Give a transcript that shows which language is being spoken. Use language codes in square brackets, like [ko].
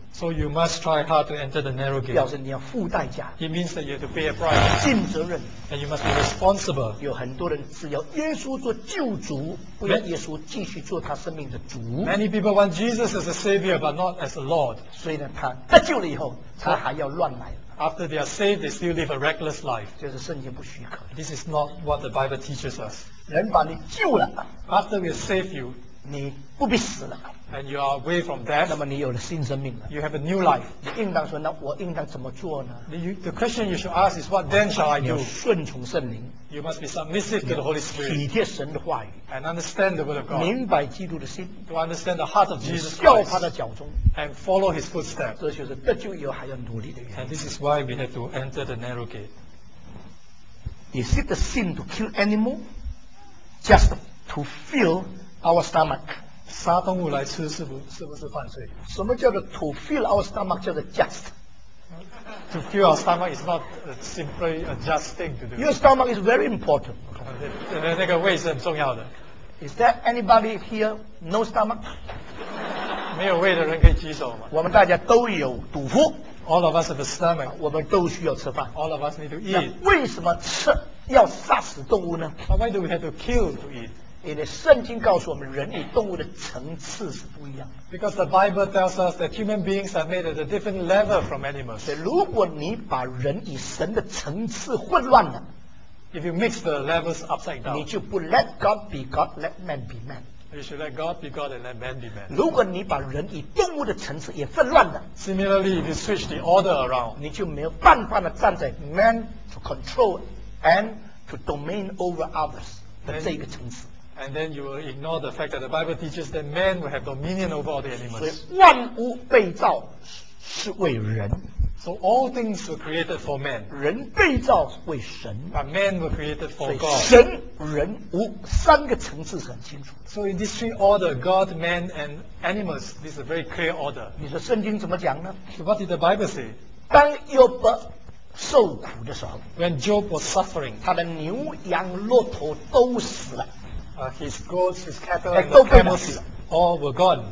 [en] so you must try hard to enter the narrow gate. [zh] 表示你要付代价, [en] it means that you have to pay a price. [zh] 尽责任, [en] and you must be responsible. [zh] 有很多人只要耶稣做救主, 不要耶稣继续做他生命的主, [en] many people want Jesus as a savior, but not as a Lord. [zh] 所以呢，他得救了以后, 他还要乱来。 [en] After they are saved, they still live a reckless life. [zh] 这是圣经不许可。 [en] This is not what the Bible teaches us. [zh] 人把你救了, [en] after we save you, [zh] 你不必死了, [en] and you are away from death, [zh] 那么你有了新生命了, [en] you have a new life. [zh] 你应当说,那我应当怎么做呢? [en] The question you should ask is, what then shall I do? [zh] 你要顺从圣灵, [en] you must be submissive to the Holy Spirit. [zh] 体贴神的话语, [en] and understand the word of God. [zh] 明白基督的心, [en] to understand the heart of Jesus Christ. [zh] 你效法他的脚中, [en] and follow his footsteps. [zh] 这就是得救以后还要努力的原因。 [en] And this is why we have to enter the narrow gate. Is it a sin to kill animal? Just to fill our stomach. [zh] 杀动物来吃是不是犯罪? 什么叫做 [en] to fill our stomach? [zh] 叫做 [en] just. To fill our stomach is not simply a just thing to do. Your stomach is very important. [zh] 那个胃是很重要的。 [en] Is there anybody here no stomach? [zh] 没有胃的人可以举手吗? 我们大家都有肚腹。 [en] All of us have a stomach. [zh] 我们都需要吃饭。 [en] All of us need to eat. [zh] 为什么吃要杀死动物呢? [en] But why do we have to kill to eat? [zh] 因为圣经告诉我们，人与动物的层次是不一样的。 [en] Because the Bible tells us that human beings are made at a different level from animals. [zh] 所以如果你把人与神的层次混乱了， [en] if you mix the levels upside down, [zh] 你就不 [en] let God be God, let man be man. You should let God be God and let man be man. [zh] 如果你把人与动物的层次也混乱了， [en] similarly, if you switch the order around, [zh] 你就没有办法站在 [en] man to control and to domain over others. [zh] 的这一个层次。 [en] And then you will ignore the fact that the Bible teaches that man will have dominion over all the animals. [zh] 所以万物被造是为人。 [en] So all things were created for man. [zh] 人被造为神。 [en] But man were created for God. [zh] 神、人、物三个层次是很清楚。 [en] So in this three order, God, man, and animals, this is a very clear order. [zh] 你说圣经怎么讲呢？ [en] So what did the Bible say? [zh] 当约伯受苦的时候， [en] When Job was suffering, [zh] 他的牛羊骆驼都死了。 [en] His goats, his cattle, and the camels all were gone.